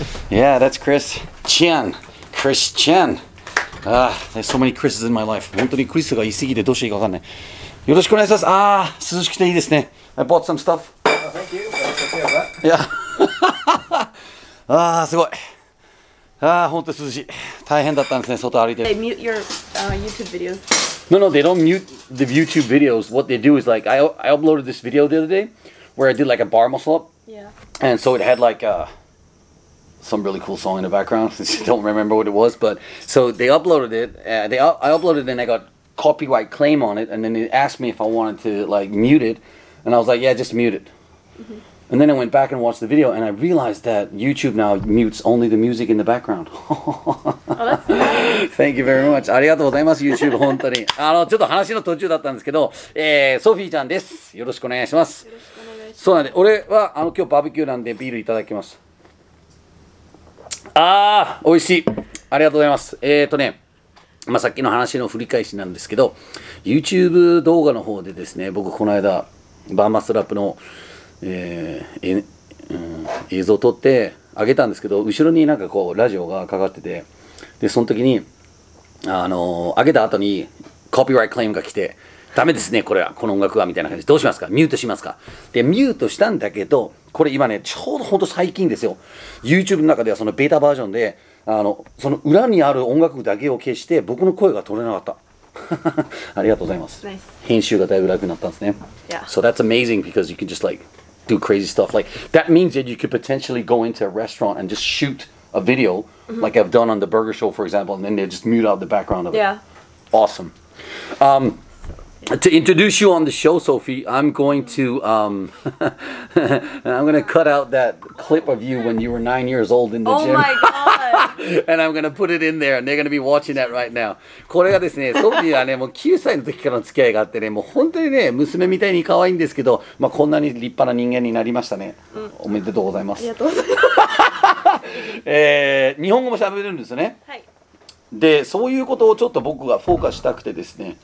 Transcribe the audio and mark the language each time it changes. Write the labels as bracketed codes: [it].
[en] Yeah, that's Chris Chan. Chris Chan. There's so many Chris's in my life. [ja] 本当にクリスがいすぎてどうしていいかわかんない。よろしくお願いします。ああ、涼しくていいですね。 [en] I bought some stuff. Thank you. That's a fair bet. Yeah. [ja] ああ、すごい。ああ、本当に涼しい。大変だったんですね、外歩いてる。 [en] They mute your YouTube videos. No, no, they don't mute the YouTube videos. What they do is like, I uploaded this video the other day where I did like a bar muscle up. Yeah. And so it had like some really cool song in the background. I don't remember what it was, but so they uploaded it. I uploaded it and I got copyright claim on it, and then it asked me if I wanted to like mute it, and I was like, yeah, just mute it. Mm-hmm. And then I went back and watched the video, and I realized that YouTube now mutes only the music in the background. Oh, that's nice. Thank you very much. [ja] ありがとうございます、YouTube、本当に。あの、ちょっと話の途中だったんですけど、ソフィーちゃんです。よろしくお願いします。よろしくお願いします。そうなんで、俺はあの今日バーベキューなんでビールいただきます。ああ、美味しい。ありがとうございます。ね、まあ、さっきの話の振り返しなんですけど、 YouTube 動画の方でですね、僕この間バーマスラップの、映像を撮ってあげたんですけど、後ろになんかこうラジオがかかってて、でその時にあげた後にコピーライトクレームが来て、ダメですねこれは、この音楽はみたいな感じ、どうしますか、ミュートしますか。でミュートしたんだけど、これ今ねちょうど本当最近ですよ、 YouTube の中ではそのベータバージョンで、あのその裏にある音楽だけを消して僕の声が取れなかった。ありがとうございます。 [en] Nice. [ja] 編集がだいぶ楽になったんですね。 [en] Yeah. So that's amazing because you can just like do crazy stuff. Like that means that you could potentially go into a restaurant and just shoot a video、mm-hmm. like I've done on the Burger Show for example, and then they just mute out the background of it. Yeah. Awesome. To introduce you on the show, Sophie, I'm going to I'm going to cut out that clip of you when you were 9 years old in the gym. Oh my god. And I'm going to put it in there, and they're going to be watching that right now. [ja] これがですね、ソフィーはね、もう9歳の時からの付き合いがあってね、もう本当にね、娘みたいに可愛いんですけど、まあこんなに立派な人間になりましたね。おめでとうございます。ありがとうございます。日本語も喋れるんですよね。はい。で、そういうことをちょっと僕がフォーカスしたくてですね、